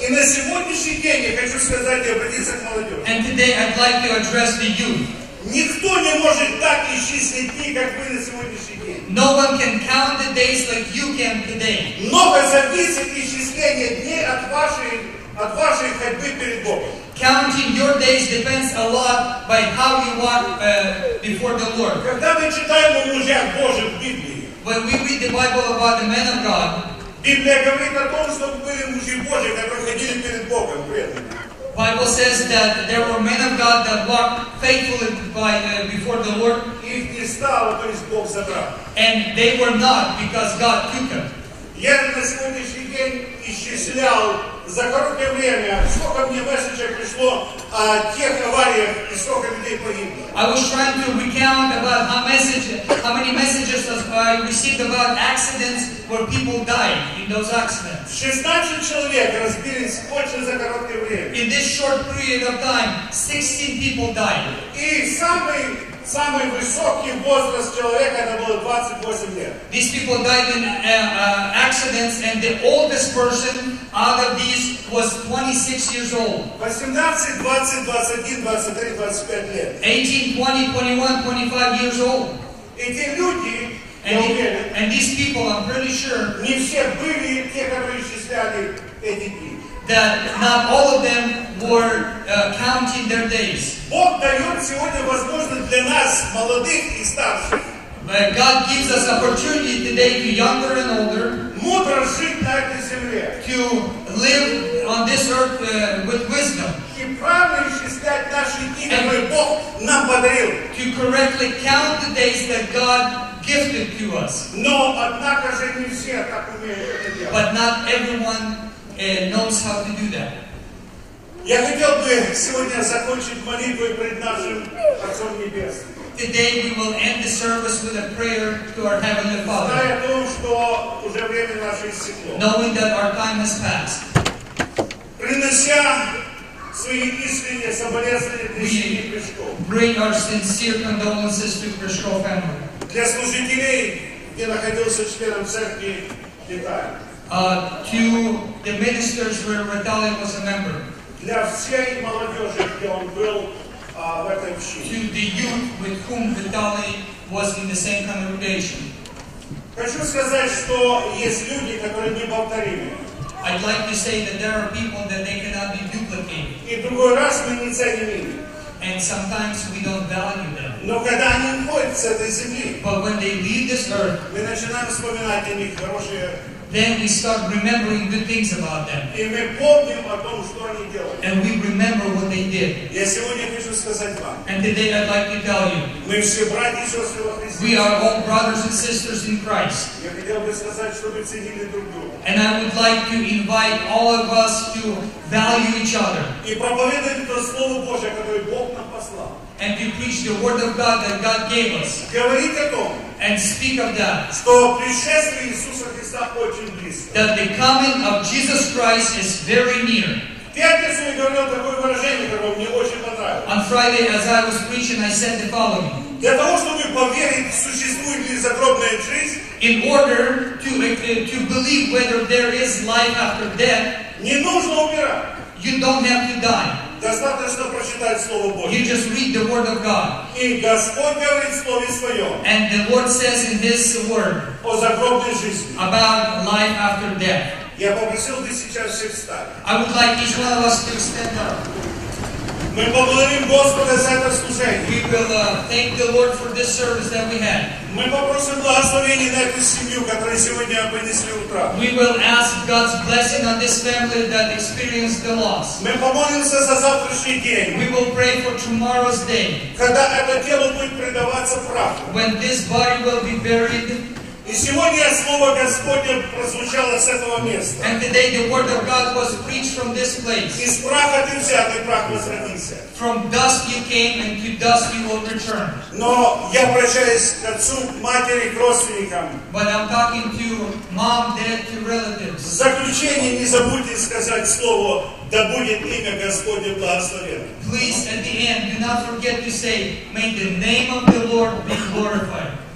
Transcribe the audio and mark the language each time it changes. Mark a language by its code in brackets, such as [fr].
[ru] И на сегодняшний день я хочу сказать и обратиться к молодежи. [en] And today I'd like to address the youth. [ru] Никто не может так исчислить дни, как мы на сегодняшний день. [en] No one can count the days like you can today. [ru] Многое зависит исчисление дней от вашей ходьбы перед Богом. [en] Counting your days depends a lot by how you walk before the Lord. [ru] Когда мы читаем о мужах Божьих в Библии, [en] when we read the Bible about the men of God, [ru] Библия говорит о том, что были мужи Божьи, которые ходили перед Богом. [en] Bible says that there were men of God that walked faithfully by before the Lord. [ru] If не стало, то есть Бог забрал. [en] And they were not because God took them. [ru] Я на сегодняшний день исчислял за короткое время, сколько мне месседжей пришло о тех авариях и сколько людей погибло. [en] I was trying to recount about how many messages I received about accidents where people died in those accidents. [ru] 16 человек разбились очень за короткое время. [en] In this short period of time, 16 people died. [ru] И самый высокий возраст человека это было 28 лет. [en] These people died in accidents, and the oldest person out of these was 26 years old. [ru] 18, 20, 21, 23, 25 лет. [en] 18, 20, 21, 25 years old. [ru] Эти люди, [en] and these people, I'm pretty sure, [ru] не все были те, которые исчисляли эти дни. [en] That not all of them were counting their days. [ru] Бог дает сегодня возможность для нас молодых и старших. [en] But God gives us opportunity today to younger and older. [ru] Мудро жить на этой земле. [en] To live on this earth with wisdom. [ru] И правильно исчислять наши дни, которые Бог нам подарил. [en] To correctly count the days that God gifted to us. [ru] Но однако же не все так умеют это делать. [en] But not everyone. And knows how to do that. [ru] Я хотел бы сегодня закончить молитвой пред нашим Отцом Небесным. [en] Today we will end the service with a prayer to our Heavenly Father. [ru] Зная то, что уже время наше истекло. [en] Knowing that our time has passed. [ru] Принося свои искренние соболезнования для семьи Крешко. [en] Bring our sincere condolences to Крешко family. [ru] Для служителей, где находился членом церкви Китая. [en] To the ministers where Ritalia was a member. [ru] Для всей молодежи, где он был в этой общине. [en] To the youth with whom Ritalia was in the same congregation. [ru] Хочу сказать, что есть люди, которые неповторимы. [en] I'd like to say that there are people that they cannot be duplicated. [ru] И другой раз мы не ценим их. [en] And sometimes we don't value them. [ru] Но когда они уходят с этой земли, [en] but when they leave this earth, [ru] мы начинаем вспоминать о них хорошие. [en] Then we start remembering good things about them. [ru] И мы помним о том, что они делали. [en] And we remember what they did. [ru] Я сегодня хочу сказать вам. [en] And today I'd like to tell you. [ru] Мы все братья и сестры во Христе. [en] We are all brothers and sisters in Christ. [ru] Я хотел бы сказать, что мы ценили друг друга. [en] And I would like to invite all of us to value each other. [ru] И проповедовать то Слово Божие, которое Бог нам послал. [en] And to preach the Word of God that God gave us. [ru] Говорить о том. [en] And speak of that. [ru] Что пришествие Иисуса Христа очень близко. [en] That the coming of Jesus Christ is very near. [ru] Пятницу я говорил такое выражение, которое мне очень понравилось. [en] On Friday, as I was preaching, I said the following. [ru] Для того, чтобы поверить, существует ли загробная жизнь. [en] In order to believe whether there is life after death. [ru] Не нужно умирать. [en] You don't have to die. [ru] Достаточно прочитать Слово Божье. [en] You just read the Word of God. [ru] И Господь говорит в Слове Своем. [en] And the Lord says in this word. [ru] О загробной жизни. [en] About life after death. [ru] Я попросил бы сейчас всех встать. [en] I would like each one of us to stand up. [ru] Мы поблагодарим Господа за это служение. [en] We will thank the Lord for this service that we had. [ru] Мы попросим благословения на эту семью, которая сегодня понесли утрату. [en] We will ask God's blessing on this family that experienced the loss. [ru] Мы помолимся за завтрашний день. [en] We will pray for tomorrow's day. [ru] Когда это тело будет предаваться праху. [en] When this body will be buried. [ru] И сегодня слово Господне прозвучало с этого места. [en] And today the word of God was preached from this place. [ru] Из праха ты взят, и прах возродился. [en] From dust you came, and to dust you will return. [ru] Но я обращаюсь к отцу, матери, к родственникам. [en] But I'm talking to mom, dad, to relatives. [ru] В заключение не забудьте сказать слово, да будет имя Господне благословено. [en] Please, at the end, do not forget to say, may the name of the Lord be glorified.